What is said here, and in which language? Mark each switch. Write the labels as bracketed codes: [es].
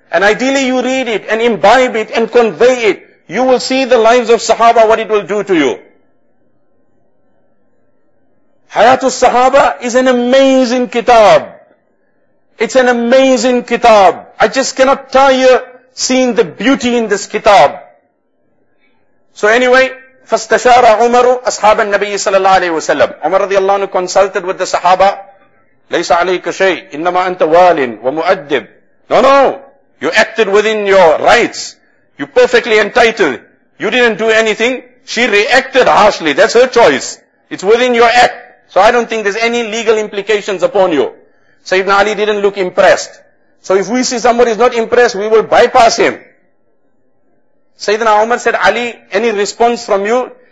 [en] And ideally you read it and imbibe it and convey it. You will see the lives of Sahaba, what it will do to you. Hayatul Sahaba is an amazing kitab. It's an amazing kitab. I just cannot tell you, seeing the beauty in this kitab. So anyway, [ar] فَاسْتَشَارَ عُمَرُ أَصْحَابَ النَّبِيِّ صَلَى اللَّهُ عَلَيْهِ وَسَلَّمُ [en] Umar radiallahu anhu consulted with the sahaba, [ar] لَيْسَ عَلَيْكَ شَيْءٍ إِنَّمَا أَنْتَ وَالٍ وَمُؤَدِّبٍ. [en] No, you acted within your rights. You perfectly entitled. You didn't do anything. She reacted harshly. That's her choice. It's within your act. So I don't think there's any legal implications upon you. Sayyidina Ali didn't look impressed. So if we see somebody is not impressed, we will bypass him. Sayyidina Umar said, Ali, any response from you?